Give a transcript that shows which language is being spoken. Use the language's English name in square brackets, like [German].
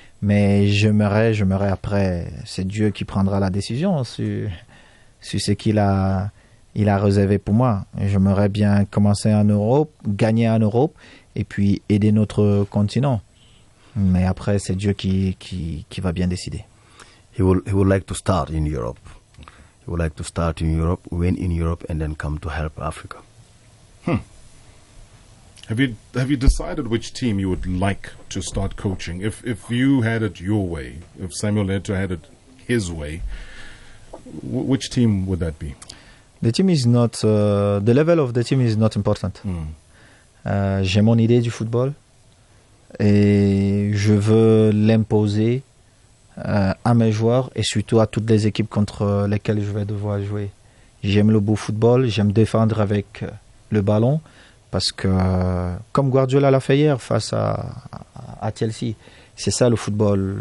[French] Mais j'aimerais après, c'est Dieu qui prendra la décision sur ce qu'il a, il a réservé pour moi. J'aimerais bien commencer en Europe, gagner en Europe, et puis aider notre continent. Mais après, c'est Dieu qui va bien décider. [English] He would like to start in Europe. He would like to start in Europe, win in Europe, and then come to help Africa. Have you decided which team you would like to start coaching? If you had it your way, if Samuel Eto'o had it his way, which team would that be? The team is not the level of the team is not important. Mm. [French] J'ai mon idée du football et je veux l'imposer à mes joueurs et surtout à toutes les équipes contre lesquelles je vais devoir jouer. J'aime le beau football, j'aime défendre avec le ballon. Parce que, comme Guardiola l'a fait hier face à Chelsea, c'est ça le football.